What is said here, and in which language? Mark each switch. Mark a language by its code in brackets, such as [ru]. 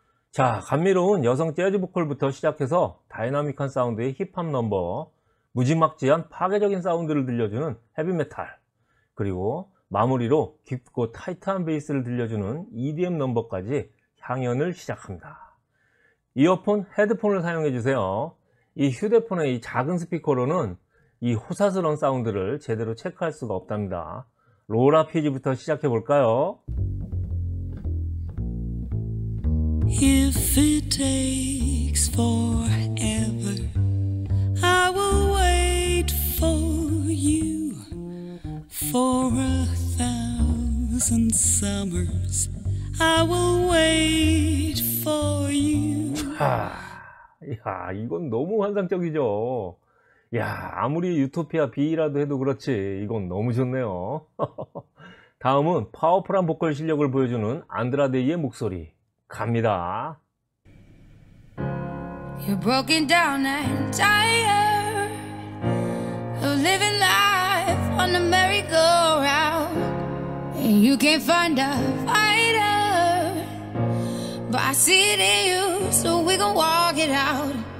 [ko] 자, 감미로운 여성 재즈 보컬부터 시작해서 다이나믹한 사운드의 힙합 넘버, 무지막지한 파괴적인 사운드를 들려주는 헤비메탈, 그리고 마무리로 깊고 타이트한 베이스를 들려주는 EDM 넘버까지 향연을 시작합니다. 이어폰, 헤드폰을 사용해주세요. 이 휴대폰의 이 작은 스피커로는 이 호사스러운 사운드를 제대로 체크할 수가 없답니다. 로라 피지부터 시작해볼까요? [en] If it takes forever, I will wait for you for a thousand summers. I will wait for you. [ko] 이야, 이건 너무 환상적이죠. 야, 아무리 유토피아 B라도 해도 그렇지 이건 너무 좋네요. 다음은 파워풀한 보컬 실력을 보여주는 안드라데이의 목소리 갑니다. [en] You're broken down and tired of living life on a merry-go-round. And you can't find a fighter, but I see it in you, so we gon' walk it out.